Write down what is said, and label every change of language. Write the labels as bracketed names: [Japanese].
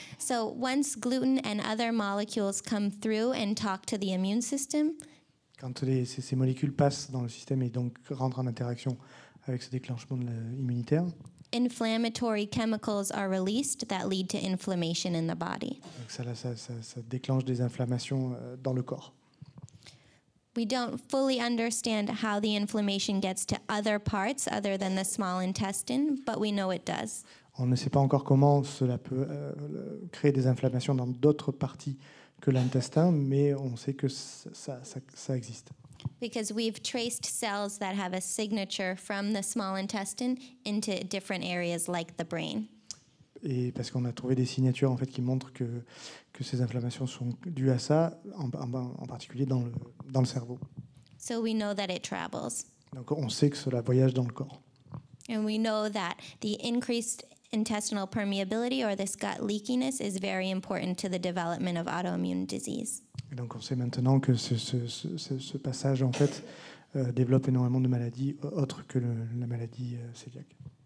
[English] So once gluten and other molecules come through and talk to the immune system. [French] Quand ces molécules passent dans le système et donc rentrent en interaction avec ce déclenchement immunitaire. [English] Inflammatory chemicals are released that lead to inflammation in the body. [French] Donc ça déclenche des inflammations dans le corps. [English] We don't fully understand how the inflammation gets to other parts other than the small intestine, but we know it does. [French] On ne sait pas encore comment cela peut créer des inflammations dans d'autres parties que l'intestin, mais on sait que ça existe. [English] Because we've traced cells that have a signature from the small intestine into different areas like the brain. [French] Et parce qu'on a trouvé des signatures en fait qui montrent que ces inflammations sont dues à ça, en particulier dans le cerveau. [English] So we know that it travels. [French] Donc on sait que cela voyage dans le corps. [English] And we know that the increased intestinal permeability or this gut leakiness is very important to the development of autoimmune disease. [French] Et donc on sait maintenant que ce passage en fait développe énormément de maladies autres que la maladie cœliaque.